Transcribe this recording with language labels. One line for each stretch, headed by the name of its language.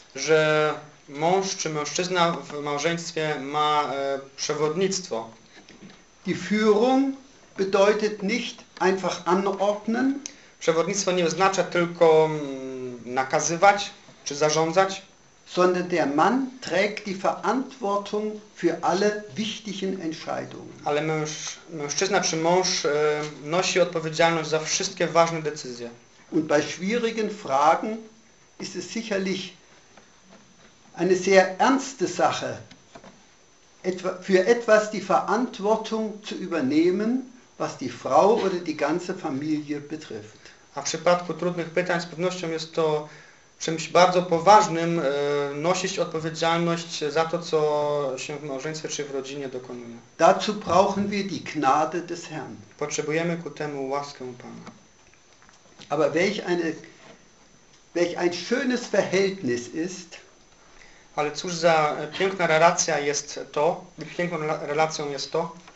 Polish: Że mąż czy mężczyzna w małżeństwie ma przewodnictwo.
German: Die Führung bedeutet nicht einfach anordnen.
Polish: Przewodnictwo nie oznacza tylko nakazywać czy zarządzać.
German: Sondern der Mann trägt die Verantwortung für alle wichtigen Entscheidungen.
Polish: Ale mężczyzna czy mąż nosi odpowiedzialność za wszystkie ważne decyzje.
German: Und bei schwierigen Fragen ist es sicherlich eine sehr ernste Sache, für etwas die Verantwortung zu übernehmen, was die Frau oder die ganze Familie betrifft.
Polish: A w przypadku trudnych pytań z pewnością jest to czymś bardzo poważnym, nosić odpowiedzialność za to, co się w małżeństwie czy w rodzinie dokonuje.
German: Dazu brauchen wir die Gnade des Herrn.
Polish: Potrzebujemy ku temu łaskę Pana.
German: Aber welch ein schönes Verhältnis ist.
Polish: Ale cóż za piękna relacja jest to, piękną relacją jest to,